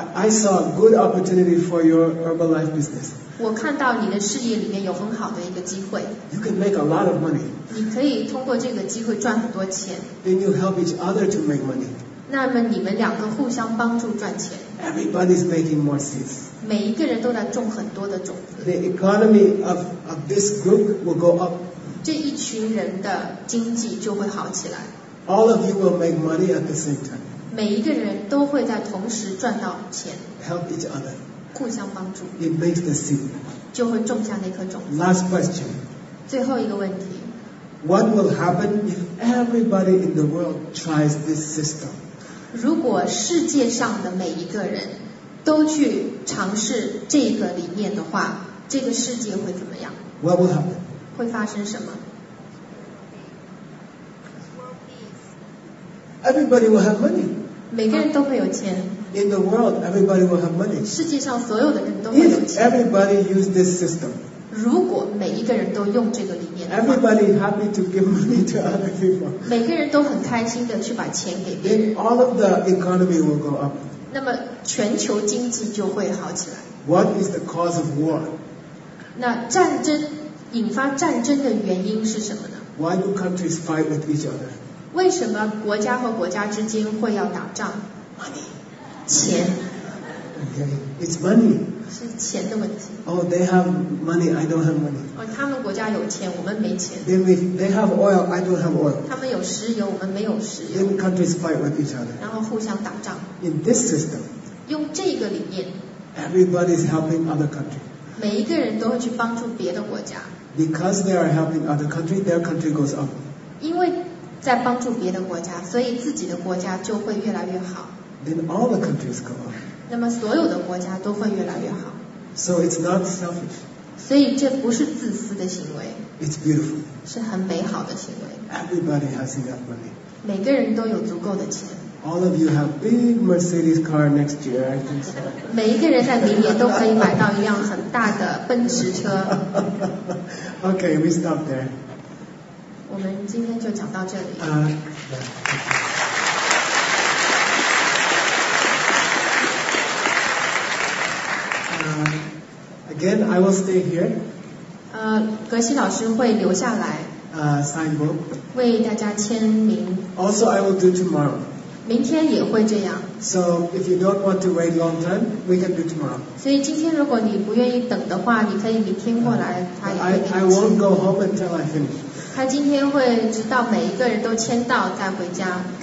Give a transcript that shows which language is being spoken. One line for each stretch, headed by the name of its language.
English: I saw a good opportunity for your Herbalife business.
Chinese: 我看到你的事业里面有很好的一个机会。
English: You can make a lot of money.
Chinese: 你可以通过这个机会赚很多钱。
English: Then you help each other to make money.
Chinese: 那么你们两个互相帮助赚钱。
English: Everybody's making more seeds.
Chinese: 每一个人都在种很多的种子。
English: The economy of this group will go up.
Chinese: 这一群人的经济就会好起来。
English: All of you will make money at the same time.
Chinese: 每一个人都会在同时赚到钱。
English: Help each other.
Chinese: 互相帮助。
English: It makes the seed.
Chinese: 就会种下那颗种子。
English: Last question.
Chinese: 最后一个问题。
English: What will happen if everybody in the world tries this system?
Chinese: 如果世界上的每一个人都去尝试这个理念的话，这个世界会怎么样？
English: What will happen?
Chinese: 会发生什么？
English: Everybody will have money.
Chinese: 每个人都会有钱。
English: In the world, everybody will have money.
Chinese: 世界上所有的人都会有钱。
English: If everybody use this system,
Chinese: 如果每一个人都用这个理念的话，
English: everybody happy to give money to other people.
Chinese: 每个人都很开心的去把钱给别人。
English: Then all of the economy will go up.
Chinese: 那么全球经济就会好起来。
English: What is the cause of war?
Chinese: 那战争引发战争的原因是什么呢？
English: Why do countries fight with each other?
Chinese: 为什么国家和国家之间会要打仗？
English: Money.
Chinese: 钱。
English: Okay. It's money. Oh, they have money, I don't have money.
Chinese: 哦，他们国家有钱，我们没钱。
English: They have oil, I don't have oil.
Chinese: 他们有石油，我们没有石油。
English: Then countries fight with each other.
Chinese: 然后互相打仗。
English: In this system.
Chinese: 用这个理念。
English: Everybody is helping other country.
Chinese: 每一个人都会去帮助别的国家。
English: Because they are helping other country, their country goes up.
Chinese: 因为在帮助别的国家，所以自己的国家就会越来越好。
English: Then all the countries go up.
Chinese: 那么所有的国家都会越来越好。
English: So it's not selfish.
Chinese: 所以这不是自私的行为。
English: It's beautiful.
Chinese: 是很美好的行为。
English: Everybody has enough money.
Chinese: 每个人都有足够的钱。
English: All of you have big Mercedes car next year, I think so.
Chinese: 每一个人在明年都可以买到一辆很大的奔驰车。
English: Okay, we stop there.
Chinese: 我们今天就讲到这里。
English: Again, I will stay here.
Chinese: 格西老师会留下来。
English: Sign book.
Chinese: 为大家签名。
English: Also, I will do tomorrow.
Chinese: 明天也会这样。
English: So, if you don't want to wait long time, we can do tomorrow.
Chinese: 所以今天如果你不愿意等的话，你可以明天过来。
English: I won't go home until I finish.
Chinese: 他今天会直到每一个人都签到再回家。